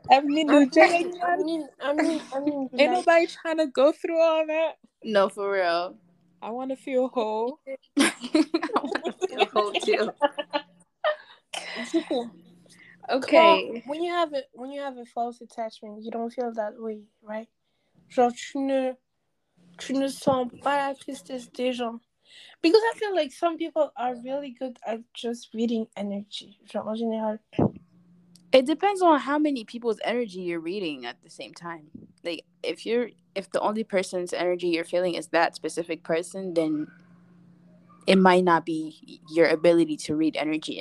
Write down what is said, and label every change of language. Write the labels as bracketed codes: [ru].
[en] ain't nobody trying to go through all that. No, for real. I want to feel whole. I want to feel whole too. Okay. Well, when you have a false attachment, you don't feel that way, right? [fr] Genre, tu ne sens pas la tristesse des gens. [en] Because I feel like some people are really good at just reading energy. [fr] Genre, en général. [en] It depends on how many people's energy you're reading at the same time. Like, if the only person's energy you're feeling is that specific person, then it might not be your ability to read energy.